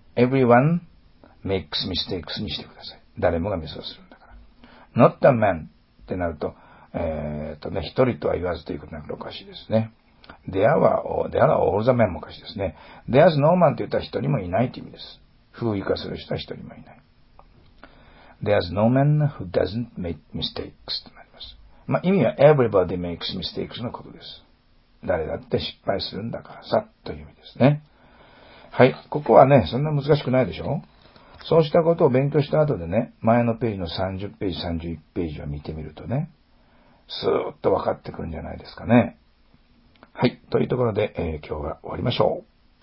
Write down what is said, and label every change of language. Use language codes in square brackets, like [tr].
[en] everyone makes mistakes [ja] にしてください。誰もがミスをする。 not a man ってなると、ね、一人とは言わずということになるとおかしいですね。 there は、there は [en] all the men [ja] もおかしいですね。 [en] there's no man [ja] って言ったら一人もいないという意味です。風を生かする人は一人もいない。 [en] there's no man who doesn't make mistakes となります。 [ja] まあ、意味は [en] everybody makes mistakes [ja] のことです。誰だって失敗するんだからさ、という意味ですね。はい、ここはね、そんな難しくないでしょ？そうしたことを勉強した後でね、前のページの30ページ、31ページを見てみるとね、スーッと分かってくるんじゃないですかね。はい、というところで、今日は終わりましょう。